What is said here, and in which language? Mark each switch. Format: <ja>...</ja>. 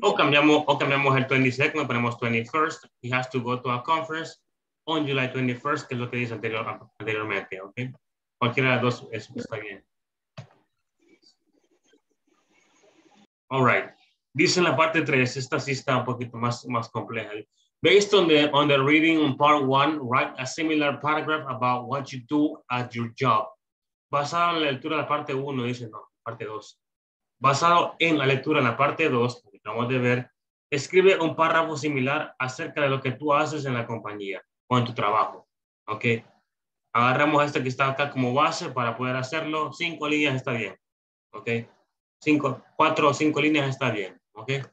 <es>O cambiamos el 22nd, ponemos 21st.</es> <en>He has to go to a conference on July 21st,</en> <es>que es lo que dice anteriormente, ¿ok? Cualquiera de las dos es, está bien.</es> <en>All right.</en> <es>Dice la parte 3, esta sí está un poquito más compleja.</es> <en>Based on the reading on part 1, write a similar paragraph about what you do at your job.</en> <es>Basada en la lectura de la parte 1, dice, no, parte 2. Basado en la lectura en la parte 2, vamos a ver, escribe un párrafo similar acerca de lo que tú haces en la compañía o en tu trabajo, ¿ok? Agarramos este que está acá como base para poder hacerlo. 5 líneas está bien, ¿ok? 4 o 5 líneas está bien, ¿ok?</es>